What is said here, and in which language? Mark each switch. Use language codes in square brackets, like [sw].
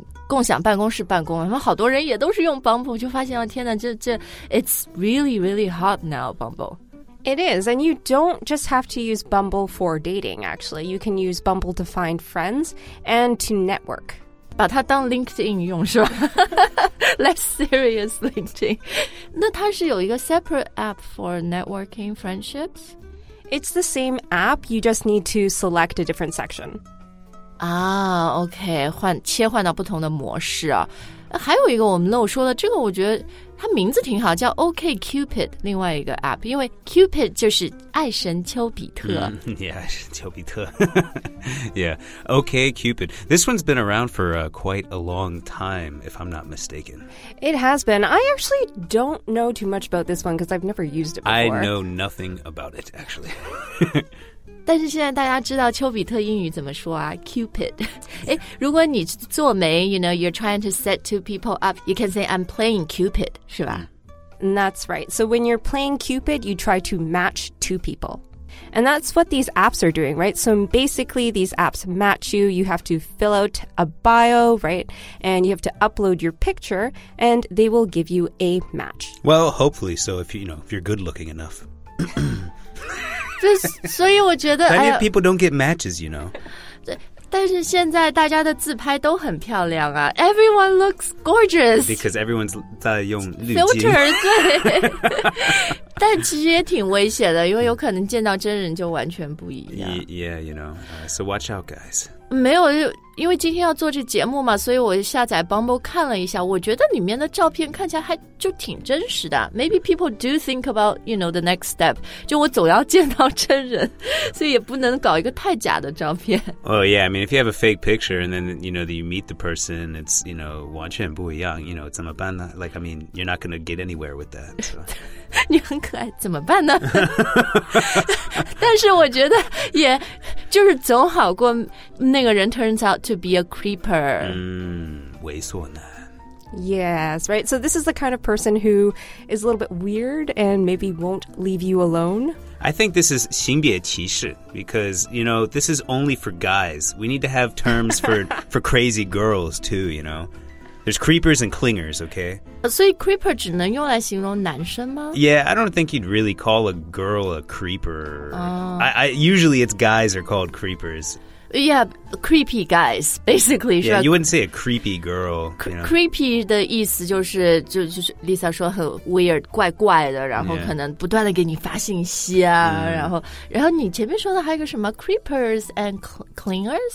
[zh] 共享办公室办公，然后好多人也都是用 Bumble， 就发现了，天哪，这 [en] it's really really hot now [zh] Bumble。 [en] It is, and you don't just have to use Bumble for dating, actually. You can use Bumble to find friends and to network. [zh] 把它当 LinkedIn 用是吧？ [en] Less serious LinkedIn. [zh] 那它是有一个 [en] separate app for networking friendships? It's the same app, you just need to select a different section. [zh] OK, 切换到不同的模式啊。还有一个我们漏说的，这个我觉得它名字挺好，叫 OK Cupid， 另外一个 app， 因为 Cupid 就是爱神丘比特。 [en] 丘比特。Yeah, OK Cupid. This one's been around for quite a long time, if I'm not mistaken. It has been. I actually don't know too much about this one because I've never used it before. I know nothing about it, actually. [zh] 但是现在大家知道丘比特英语怎么说啊 [en] ？Cupid， 哎， [zh] 如果你做媒 [en] ，you know you're trying to set two people up， you can say I'm playing Cupid， [zh] 是吧 [en] ？That's right. So when you're playing Cupid， you try to match two people， and that's what these apps are doing, right? So basically, these apps match you. You have to fill out a bio, right? And you have to upload your picture, and they will give you a match. Well, hopefully, so if you know if you're good looking enough. [zh] 所以我觉得 [en] Plenty of people don't get matches, you know. [zh] 但是现在大家的自拍都很漂亮啊。 [en] Everyone looks gorgeous. Because everyone's [zh] 在用滤镜。Filter, 对。但其实也挺危险的，因为有可能见到真人就完全不一样。 [en] Yeah, you know. So watch out, guys. [zh] 没有，因为今天要做这节目嘛，所以我下载 Bumble 看了一下，我觉得里面的照片看起来还就挺真实的。 [en] Maybe people do think about, you know, the next step. [zh] 就我总要见到真人，所以也不能搞一个太假的照片。 [en] Oh, yeah, I mean, if you have a fake picture and then, you know, you meet the person, it's, you know, [zh] 完全不一样, [en] you know, [zh] 怎么办呢? [en] Like, I mean, you're not going to get anywhere with that, so... [zh] 你很可爱，怎么办呢？但是我觉得，也就是总好过那个人 [en] turns out to be a creeper. [zh] 猥琐男。 [en] Yes, right. So this is the kind of person who is a little bit weird and maybe won't leave you alone. I think this is [zh] 性别歧视 [en] because, you know, this is only for guys. We need to have terms for crazy girls too, you know. There's creepers and clingers, okay? [zh] So creeper 只能用来形容男生吗? [en] Yeah, I don't think you'd really call a girl a creeper. Usually it's guys are called creepers. Yeah, creepy guys, basically. Yeah, you wouldn't say a creepy girl. [zh] Creepy 的意思就是 Lisa 说很 weird, 怪怪的然后可能不断地给你发信息啊、然后你前面说的还有个什么 [en] creepers and clingers?